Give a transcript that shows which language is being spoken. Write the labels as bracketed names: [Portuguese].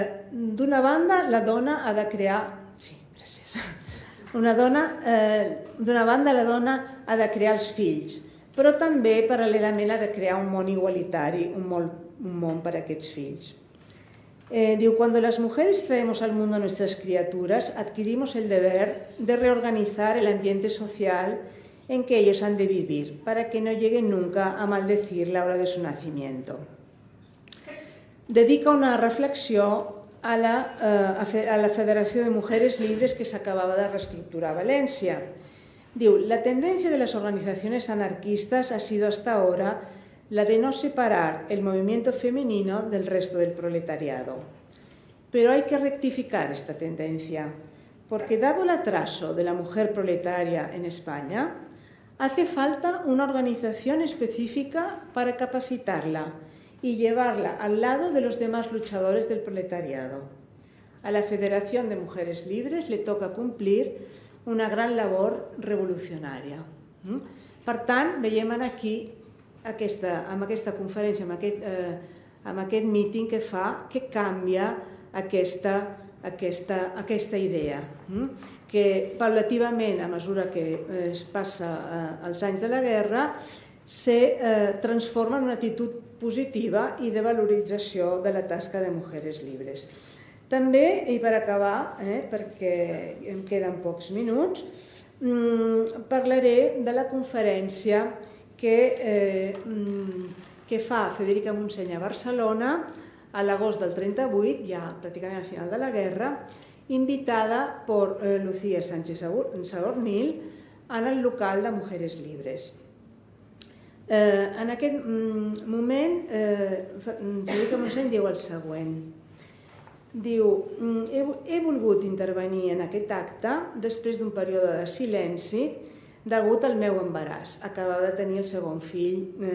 [Catalan] D'una banda, la dona ha de crear... Sí, gràcies. D'una banda, la dona ha de crear els fills, però també, paral·lelament, ha de crear un món igualitari, un món per a aquests fills. Diu, [Spanish] cuando las mujeres traemos al mundo nuestras criaturas, adquirimos el deber de reorganizar el ambiente social en que ellos han de vivir, para que no lleguen nunca a maldecir la hora de su nacimiento. [Catalan] Dedica una reflexió a la Federació de Mujeres Libres que s'acabava de reestructurar a València. Diu, la tendència de les organitzacions anarquistes [Spanish] ha sido hasta ahora la de no separar el movimiento femenino del resto del proletariado. Pero hay que rectificar esta tendencia, porque dado el atraso de la mujer proletaria en España, hace falta una organización específica para capacitarla y llevarla al lado de los demás luchadores del proletariado. A la Federación de Mujeres Libres le toca cumplir una gran labor revolucionaria. [Catalan] Per tant, veiem aquí amb aquesta conferència, amb aquest míting que fa, que canvia aquesta aquesta idea, que paulativament, a mesura que es passa els anys de la guerra, se transforma en una actitud positiva i de valorització de la tasca de Mujeres Libres. També, i per acabar, perquè em queden pocs minuts, parlaré de la conferència que fa Federica Montseny a Barcelona a l'agost del 38, ja pràcticament al final de la guerra, invitada per Lucía Sánchez Sabornil en el local de Mujeres Libres. En aquest moment, Federica Montseny diu el següent. Diu, he volgut intervenir en aquest acte després d'un període de silenci degut al meu embaràs, acabava de tenir el segon fill